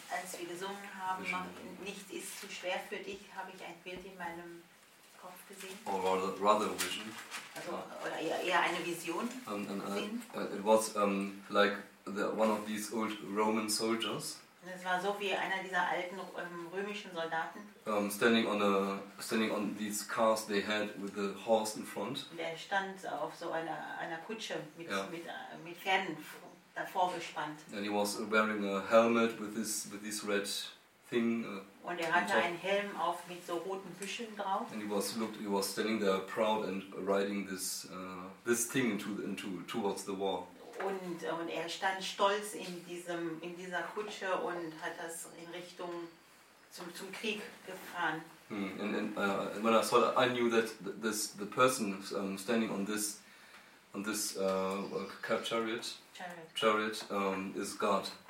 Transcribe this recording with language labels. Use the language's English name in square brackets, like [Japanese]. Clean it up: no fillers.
[German] Als wir gesungen haben, nichts ist zu schwer für dich, habe ich ein Bild in meinem Kopf gesehen. [English] Or rather a vision. [German] Also, oder eher eine Vision. [English] It was like the, one of these old Roman soldiers. [German] Es war so wie einer dieser alten römischen Soldaten. [English] Standing on these cars they had with the horse in front. [German] Der stand auf so einer Kutsche mit, yeah, mit Pferden davor gespannt. [English] And he was wearing a helmet with this red thing. [German] Und er hatte einen Helm auf mit so roten Büscheln drauf. [English] And he was standing there proud and riding this this thing into towards the war. [German] Und er stand stolz in dieser Kutsche und hat das in Richtung zum Krieg gefahren. [English] And when I saw that, I knew that the person standing on this chariot is God.